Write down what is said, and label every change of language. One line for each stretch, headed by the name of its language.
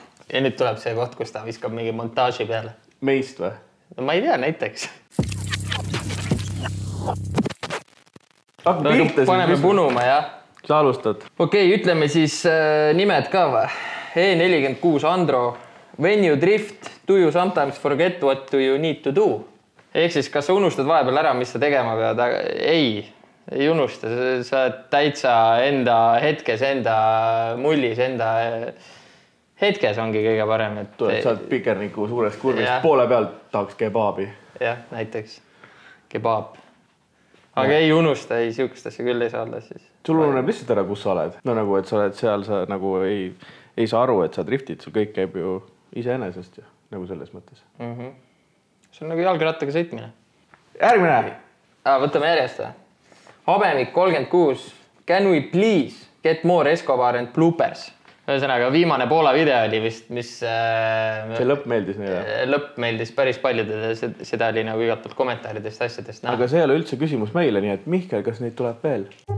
Estonian: Ja nüüd tuleb see koht, kus ta viskab mingi montaaži peale. Meist või? No ma ei tea, näiteks. No, pirte, paneme punuma, jah. Sa alustad. Okei, okay, ütleme siis nimed ka või? E46 Andro.
English: When you drift, do you sometimes forget what do you need to do?
Estonian: Ehk siis, kas sa unustad vahepeal ära, mis sa tegema pead? Ei, ei unusta. Sa täitsa enda hetkes, enda mullis, enda... Hetkes ongi kõige parem, et... Tuleb, sa oled pikerniku suures kurvis, ja. Poole pealt tahaks kebaabi. Jah, näiteks. Kebaab. Aga ja. Ei unusta, ei siukestasse küll ei saa olla siis. Sul ununeb lihtsalt ära, kus sa oled. No nagu, et sa oled seal, sa nagu ei saa aru, et sa driftid. Sul kõik käib ju ise enesest, ja, nagu selles mõttes. Mm-hmm. See on nagu jalgrattaga sõitmine. Järgmine! Võtame järjest. Habemik 36.
English: Can we please get more Escobar and bloopers?
Estonian: Sõnaga, viimane poola video oli vist, mis... See lõpp meeldis nii, jah? Lõpp meeldis päris palju, seda oli nagu igatult kommentaaridest asjadest. Aga see ei ole üldse küsimus meile, nii et Mihkel, kas neid tuleb veel?